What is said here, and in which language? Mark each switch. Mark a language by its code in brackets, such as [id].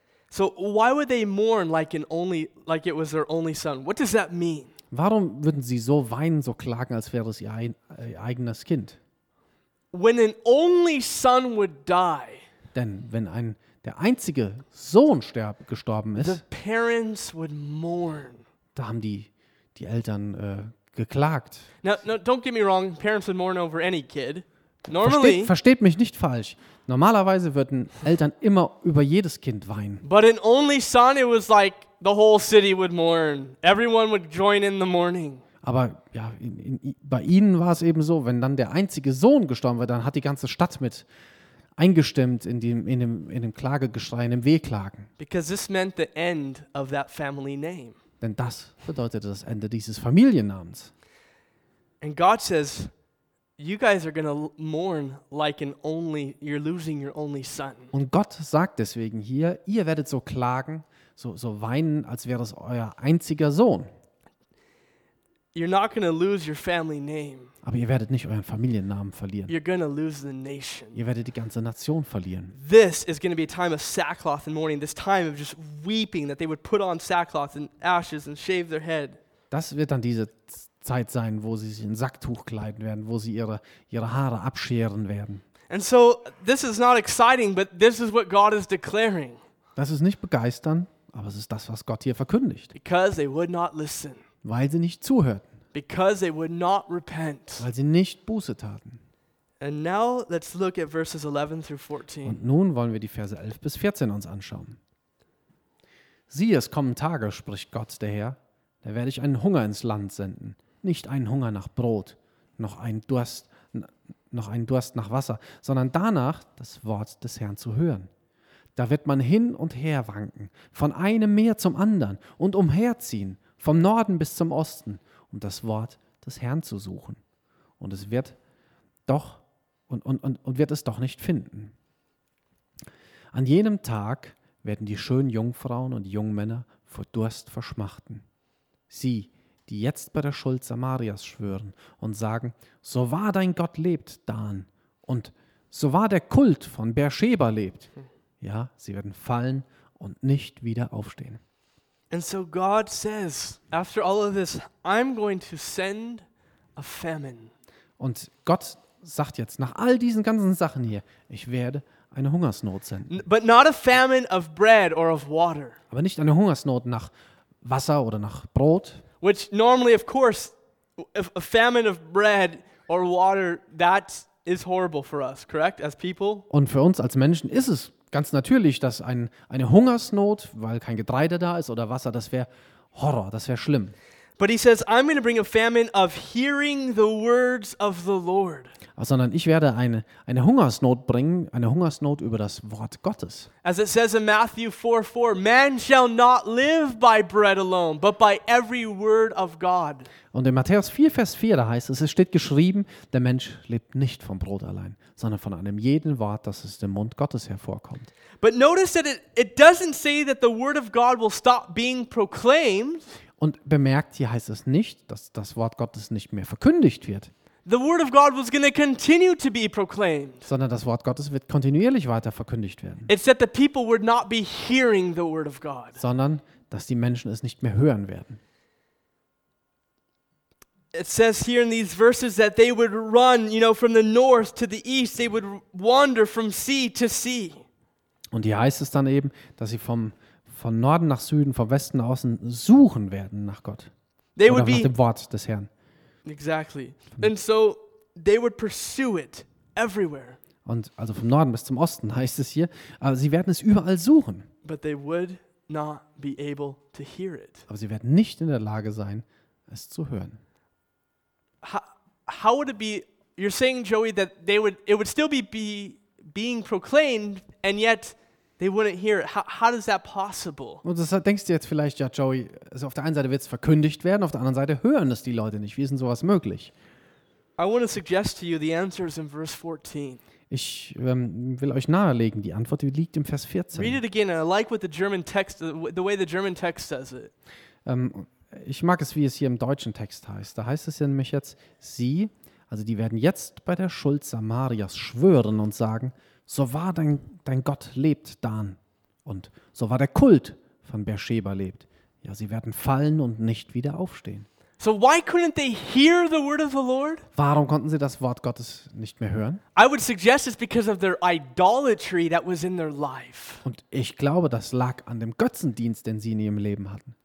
[en] So why would they mourn like it was their only son? What does that mean? [de] Warum würden sie so weinen, so klagen, als wäre es ihr eigenes Kind? [en] When an only son would die. [de] Denn wenn der einzige Sohn gestorben ist, [en] the parents would mourn. [de] Da haben die Eltern geklagt. [en] No, don't get me wrong. Parents would mourn over any kid. Normally. [de] Versteht mich nicht falsch. Normalerweise würden Eltern immer über jedes Kind weinen. [en] But an only son, it was like the whole city would mourn. Everyone would join in the mourning. [de] Aber ja, bei ihnen war es eben so, wenn dann der einzige Sohn gestorben war, dann hat die ganze Stadt mit eingestimmt in dem Klagegeschrei, in dem Wehklagen. [en] Because this meant the end of that family name. [de] Denn das bedeutete das Ende dieses Familiennamens. [en] And God says, you guys are going to mourn like an only, you're losing your only son. [de] Und Gott sagt deswegen hier, ihr werdet so klagen, so weinen, als wäre es euer einziger Sohn. [en] You're not going to lose your family name. [de] Aber ihr werdet nicht euren Familiennamen verlieren. [en] You're going to lose the nation. [de] Ihr werdet die ganze Nation verlieren. [en] This is going to be a time of sackcloth and mourning, this time of just weeping, that they would put on sackcloth and ashes and shave their head. [de] Das wird dann diese Zeit sein, wo sie sich in Sacktuch kleiden werden, wo sie ihre Haare abscheren werden. [en] And so this is not exciting, but this is what God is declaring. [de] Das ist nicht begeisternd, aber es ist das, was Gott hier verkündigt. [en] Because they would not listen. [de] Weil sie nicht zuhörten. [en] Because they would not repent. [de] Weil sie nicht Buße taten. [en] And now let's look at verses 11 through 14. [de] Und nun wollen wir die Verse 11 bis 14 uns anschauen. Siehe, es kommen Tage, spricht Gott, der Herr, da werde ich einen Hunger ins Land senden. Nicht einen Hunger nach Brot, noch einen Durst nach Wasser, sondern danach das Wort des Herrn zu hören. Da wird man hin und her wanken, von einem Meer zum anderen und umherziehen, vom Norden bis zum Osten, um das Wort des Herrn zu suchen. Und es wird doch und wird es doch nicht finden. An jenem Tag werden die schönen Jungfrauen und Jungmänner vor Durst verschmachten. Sie, die jetzt bei der Schuld Samarias schwören und sagen, so wahr dein Gott lebt, Dan, und so wahr der Kult von Beersheba lebt. Ja, sie werden fallen und nicht wieder aufstehen. [en] And so God says, after all of this, I'm going to send a famine. [de] Und Gott sagt jetzt, nach all diesen ganzen Sachen hier, ich werde eine Hungersnot senden. [en] But not a famine of bread or of water. [de] Aber nicht eine Hungersnot nach Wasser oder nach Brot. [en] Which normally, of course, if a famine of bread or water, that is horrible for us, correct, as people? [de] Und für uns als Menschen ist es ganz natürlich, dass eine Hungersnot, weil kein Getreide da ist oder Wasser, das wäre Horror, das wäre schlimm. [en] But he says, I'm going to bring a famine of hearing the words of the Lord. [de] Sondern ich werde eine Hungersnot bringen, eine Hungersnot über das Wort Gottes. [en] As it says in Matthew 4:4, man shall not live by bread alone, but by every word of God. [de] Und in Matthäus 4, Vers 4, da heißt es, es steht geschrieben, der Mensch lebt nicht vom Brot allein, sondern von einem jeden Wort, das aus dem Mund Gottes hervorkommt. [en] But notice that it doesn't say that the word of God will stop being proclaimed. [de] Und bemerkt, hier heißt es nicht, dass das Wort Gottes nicht mehr verkündigt wird. [en] The word of God was going to continue to be proclaimed. [de] Sondern das Wort Gottes wird kontinuierlich weiter verkündigt werden. [en] It's that the people would not be hearing the word of God. [de] Sondern dass die Menschen es nicht mehr hören werden. [en] It says here in these verses that they would run, you know, from the north to the east, they would wander from sea to sea. [de] Und hier heißt es dann eben, dass sie von Norden nach Süden, von Westen nach Osten suchen werden nach Gott. [en] They would [de] be nach dem Wort des Herrn. [en] Exactly. And so they would pursue it everywhere. [de] Und also vom Norden bis zum Osten heißt es hier, aber sie werden es überall suchen. [en] But they would not be able to hear it. [de] Aber sie werden nicht in der Lage sein, es zu hören. [en] How would it be, you're saying, Joey, that it would still be being proclaimed and yet they wouldn't hear it. How is that possible? [de] Und das denkst du jetzt vielleicht, ja, Joey, also auf der einen Seite wird es verkündigt werden, auf der anderen Seite hören es die Leute nicht. Wie ist denn sowas möglich? [en] I want to suggest to you the answer is in verse 14. [de] Ich will euch nahelegen, die Antwort liegt im Vers 14. [en] Read it again. I like what the German text, the way the German text says it. [de] Ich mag es, wie es hier im deutschen Text heißt. Da heißt es ja nämlich jetzt, sie, also die werden jetzt bei der Schuld Samarias schwören und sagen, so wahr dein Gott lebt, Dan, und so wahr der Kult von Beersheba lebt. Ja, sie werden fallen und nicht wieder aufstehen. [en] So why couldn't they hear the word of the Lord? [de] Warum konnten sie das Wort Gottes nicht mehr hören? [en] I would suggest it's because of their idolatry that was in their life. [de] Und ich glaube, das lag an dem Götzendienst, den sie in ihrem Leben hatten.